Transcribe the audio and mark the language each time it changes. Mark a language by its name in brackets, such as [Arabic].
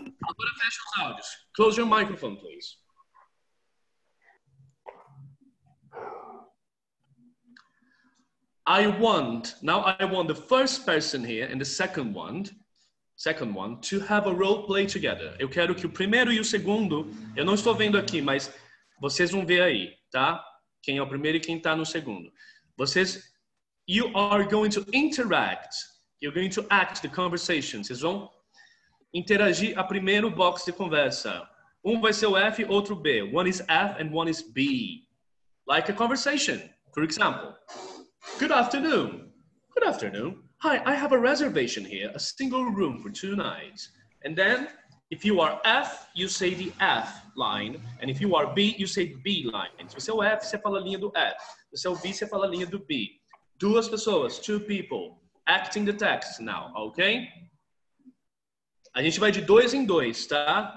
[Portuguese] Agora fecha os áudios. [English] Close your microphone, please. I want the first person here and the second one. Second one, to have a role play together. [Portuguese] Eu quero que o primeiro e o segundo, eu não estou vendo aqui, mas vocês vão ver aí, tá? Quem é o primeiro e quem está no segundo. Vocês, [English] you are going to interact. You're going to act the conversation. [Portuguese] Vocês vão interagir a primeiro box de conversa. Um vai ser o F e outro B. [English] One is F and one is B. Like a conversation, for example. Good afternoon. Good afternoon. Hi, I have a reservation here, a single room for two nights. And then, if you are F, you say the F line. And if you are B, you say B line. [Portuguese] Se você é F, você fala a linha do F. Se você é B, você fala a linha do B. Duas pessoas, [English] two people, acting the text now, ok? [Portuguese] A gente vai de dois em dois, tá?